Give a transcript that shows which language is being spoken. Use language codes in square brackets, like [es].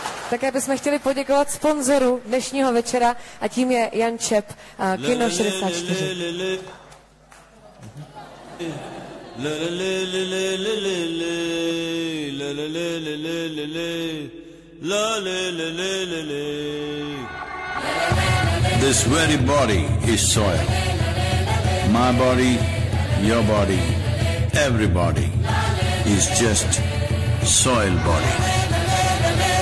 [cs] Také bychom chtěli poděkovat sponzoru dnešního večera, a tím je Jan Čep, Kino 64. La la la la la la la la la la la la la la la la la la la la la. [en] This very body is soil. My body, your body, everybody is just soil body.